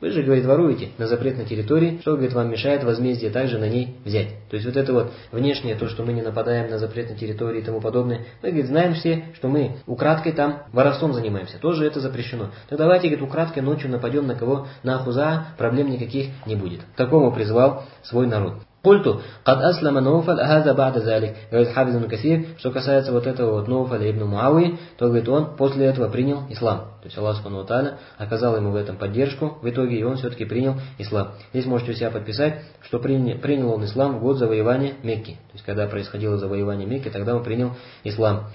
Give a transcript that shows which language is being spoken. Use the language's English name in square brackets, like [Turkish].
[Russian] Вы же, говорит, воруете на запретной территории, что, говорит, вам мешает возмездие также на ней взять. То есть вот это вот внешнее, то, что мы не нападаем на запретной территории и тому подобное, мы, говорит, знаем все, что мы украдкой там воровством занимаемся, тоже это запрещено. Так давайте, говорит, украдкой ночью нападем на кого? На Хуза, проблем никаких не будет. Такому призвал свой народ. [Arabic] Культу, قد أسلم نوفل هذا بعد ذلك. [Russian] Говорит Хафиз ибн Касир, что касается вот этого вот Нуфаля ибн Муавии, то говорит он после этого принял ислам. То есть Аллах субхана ва тааля оказал ему в этом поддержку, в итоге и он все-таки принял ислам. Здесь можете у себя подписать, что принял он ислам в год завоевания Мекки. То есть когда происходило завоевание Мекки, тогда он принял ислам.